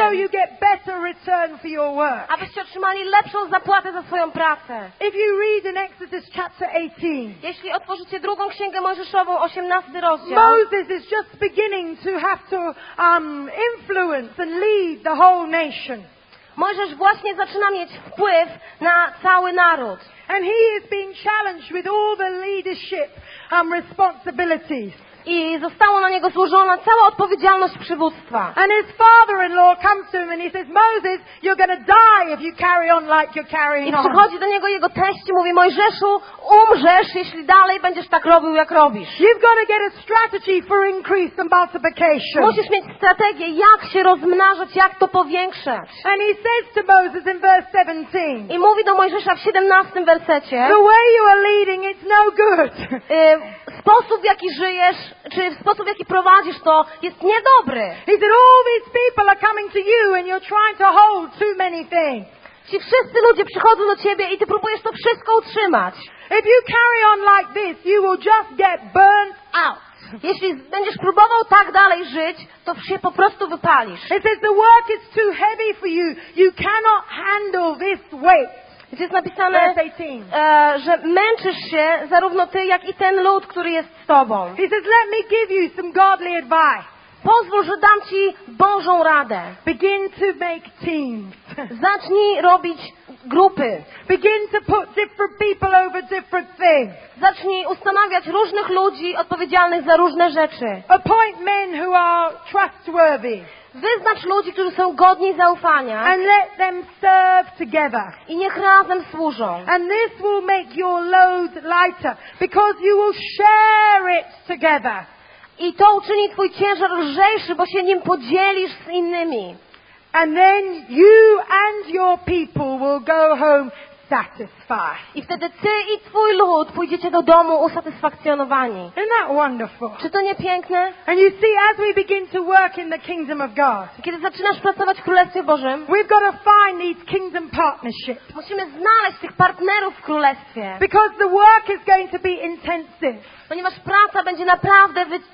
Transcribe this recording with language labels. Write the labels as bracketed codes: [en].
[en] So you get better return for your work. [pl] Abyście otrzymali lepszą zapłatę za swoją pracę. [en] If you read in Exodus chapter 18. [pl] Jeśli otworzycie drugą księgę Mojżeszową, 18 rozdział. [en] Moses is just beginning to have to influence and lead the whole nation. [pl] Mojżesz właśnie zaczyna mieć wpływ na cały naród. [en] And he is being challenged with all the leadership responsibilities. [pl] I została na niego złożona cała odpowiedzialność przywództwa. [en] And his father-in-law comes to him and he says, Moses, you're going to die if you carry on like you're carrying on. [pl] I przychodzi do niego jego teść i mówi, Mojżeszu, umrzesz, jeśli dalej będziesz tak robił, jak robisz. [en] You've got to get a strategy for increase and multiplication. [pl] Musisz mieć strategię, jak się rozmnażać, jak to powiększać. [en] And he says to Moses in verse 17. [pl] I mówi do Mojżesza w 17 wersecie. [en] The way you are leading, it's no good. [pl] Sposób, w jaki żyjesz, czy w sposób, w jaki prowadzisz to, jest niedobry. [en] He said, all these people are coming to you and you're trying to hold too many things. [pl] Ci wszyscy ludzie przychodzą do ciebie i ty próbujesz to wszystko utrzymać. [en] If you carry on like this, you will just get burnt out. [pl] Jeśli będziesz próbował tak dalej żyć, to się po prostu wypalisz. [en] It says, the work is too heavy for you. You cannot handle this weight. [pl] Gdzie jest napisane, że męczysz się zarówno ty, jak i ten lud, który jest z tobą. [en] He says, let me give you some godly advice. [pl] Pozwól, że dam ci Bożą radę. [en] Begin to make teams. [pl] Zacznij robić grupy. [en] Begin to put different people over different things. [pl] Zacznij ustanawiać różnych ludzi odpowiedzialnych za różne rzeczy. [en] Appoint men who are trustworthy. [pl] Wyznacz ludzi, którzy są godni zaufania. [en] And let them serve together. [pl] I niech razem służą. [en] And this will make your load lighter, because you will share it together. [pl] I to uczyni twój ciężar lżejszy, bo się nim podzielisz z innymi. [en] And then you and your people will go home satisfied. [pl] I wtedy ty i twój lud pójdziecie do domu usatysfakcjonowani. [en] Isn't that wonderful? [pl] Czy to nie piękne? [en] And you see, as we begin to work in the kingdom of God, [pl] kiedy zaczynasz pracować w Królestwie Bożym, [en] we've got to find these kingdom partnerships. [pl] Musimy znaleźć tych partnerów w Królestwie. [en] Because the work is going to be intensive. [pl] Ponieważ praca będzie naprawdę